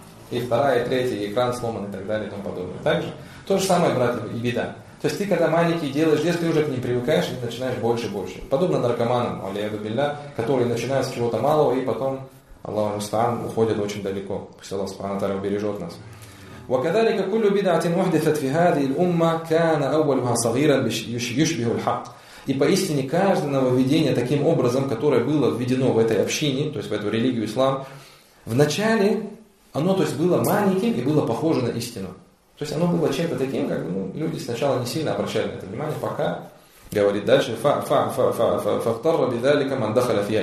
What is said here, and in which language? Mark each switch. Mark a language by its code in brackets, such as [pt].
[ru] И вторая, и третья, и экран сломан, и так далее, и тому подобное. Также то же самое, братья, и беда. То есть ты, когда маленький делаешь, если ты уже к ним привыкаешь, и начинаешь больше и больше. Подобно наркоманам, алейхи вассалям, которые начинают с чего-то малого, и потом, [ar] Аллаху мустаан, [ru] уходят очень далеко. Пусть Аллах субхана ва тааля убережет нас. [ar] وكذلك كل بدعة محدثت في هذه الأمة كان أولها صغيرا يشبه الحق. [ru] И поистине каждое нововведение таким образом, которое было введено в этой общине, то есть в эту религию ислам, вначале оно, то есть было маленьким и было похоже на истину. То есть оно было чем-то таким, как ну, люди сначала не сильно обращали на это внимание, пока говорит дальше [ar] فافتر بذلك من دخل فيها.